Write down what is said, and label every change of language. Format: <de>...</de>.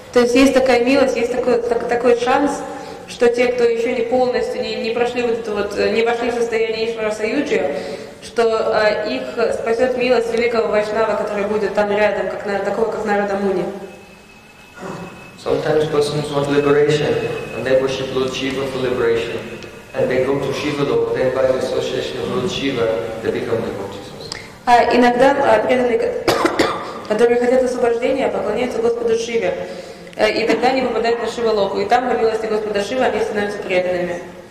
<ru>То есть есть такая милость, есть такой шанс, что те, кто еще не полностью не прошли вот это вот, не вошли в состояние Ишвара Саюджи, что их спасет милость великого Вайшнава, который будет там рядом, как такого, как Нарада Муни.</ru> <en>Sometimes persons want liberation, and they worship Lord Shiva for liberation. And they go to Shiva Loka, then by the association of Lord Shiva, they become devotees.</en> <ru>Иногда преданные, которые хотят освобождения, поклоняются Господу Шиве. И тогда они попадают на Шива-локу, и там, по милости Господа Шива, они становятся преданными.</ru>